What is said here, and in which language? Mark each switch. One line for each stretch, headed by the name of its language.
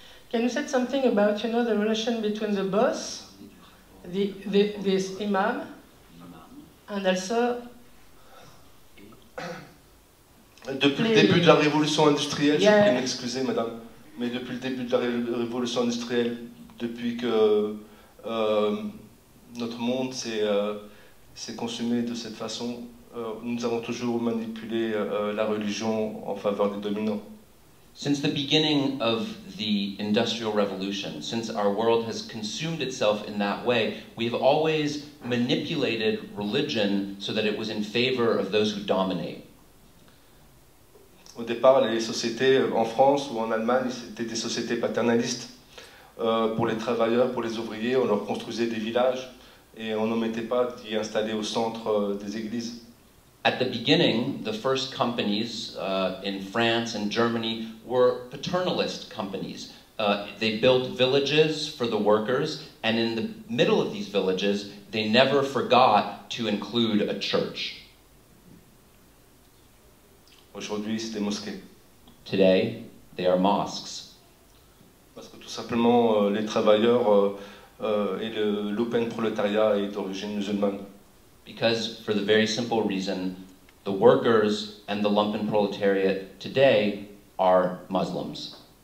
English: Can you say something about, you know, the relation between the boss, this imam, and also...
French: Depuis le début de la révolution industrielle, je peux m'excuser, madame, mais depuis le début de la révolution industrielle, depuis que notre monde s'est consumé de cette façon, nous avons toujours manipulé la religion en faveur des dominants.
English: Since the beginning of the industrial revolution, since our world has consumed itself in that way, we have always manipulated religion so that it was in favor of those who dominate.
French: Au départ, les sociétés en France ou en Allemagne, c'était des sociétés paternalistes. Pour les travailleurs, pour les ouvriers, on leur construisait des villages et on n'omettait pas d'y installer au centre des églises.
English: At the beginning, the first companies in France and Germany were paternalist companies. They built villages for the workers, and in the middle of these villages, they never forgot to include a church.
French: Aujourd'hui, c'est des mosquées.
English: Today, they are mosques.
French: Parce que tout simplement, les travailleurs et l'open prolétariat est d'origine musulmane.
English: Because, for the very simple reason, the workers and the lumpen proletariat today are Muslims.